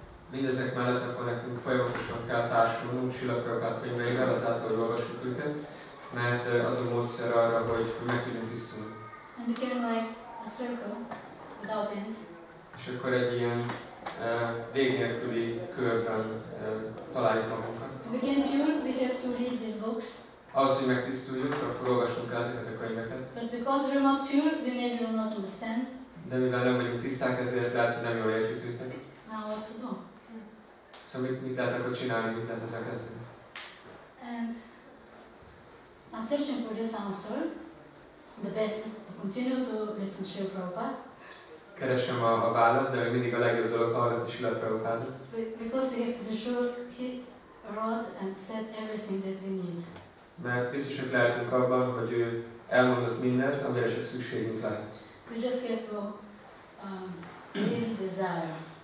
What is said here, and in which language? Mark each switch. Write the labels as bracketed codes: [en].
[hu] Mindezek mellett akkor nekünk folyamatosan kell társulnunk Srila Prabhupada könyveivel, azáltal, hogy olvassuk őket, mert az a módszer arra, hogy meg tudjunk tisztulni. [en] And became like a circle without end. [hu] És akkor egy ilyen vég nélküli körben találjuk magunkat. [en] To become pure, we have to read these books. [hu] Ahhoz, hogy megtisztuljunk, akkor olvassunk el ezeket a könyveket. [en] But because we're not pure, we maybe will not understand. [hu] De mivel nem vagyunk tiszták, ezért lehet, hogy nem jól értjük őket. [en] Now what to do? [hu] Szóval mit lehet akkor csinálni, mit lehet ezzel kezdeni? [en] And I'm searching for this answer. The best is to continue to listen to Srila Prabhupada. [hu] Keresem a választ, de még mindig a legjobb dolog hallgatni Srila Prabhupádot. [en] Because we have to be sure he Rod and said everything that we need. [hu] Mert biztosak lehetünk abban, hogy ő elmondott mindent, amire csak szükségünk lehet. [en] We just get to really desire.